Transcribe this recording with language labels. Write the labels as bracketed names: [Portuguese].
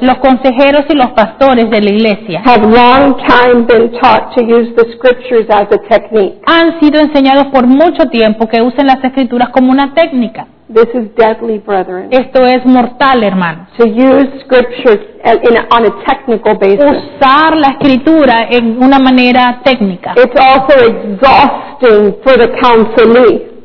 [Spanish] Los consejeros y los pastores de la iglesia. [English] Have long time been taught to use the scriptures as a technique. [Spanish] Han sido enseñados por mucho tiempo que usen las escrituras como una técnica. [English] This is deadly, brethren. [Spanish] Esto es mortal, hermano. [English] To use scriptures on a technical basis. [Spanish] Usar la escritura en una manera técnica. [English] It's also exhausting for the counselee.